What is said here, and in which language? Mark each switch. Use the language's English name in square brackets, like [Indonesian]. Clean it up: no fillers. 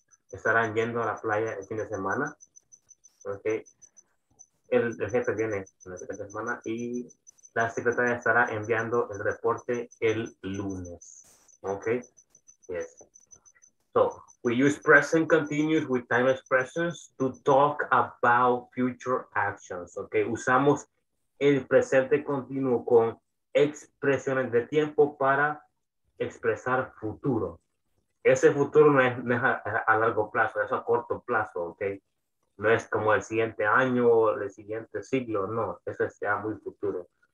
[Spanish] Estarán yendo a la playa el fin de semana. Okay. El jefe viene la semana y la secretaria estará enviando el reporte el lunes. [English] Okay. Yes. So we use present continuous with time expressions to talk about future actions. Okay. [Spanish] Usamos el presente continuo con expresiones de tiempo para expresar futuro. Ese futuro no es a largo plazo, es a corto plazo, ¿ok? no es como el siguiente año o el siguiente siglo, no, eso es ya muy futuro.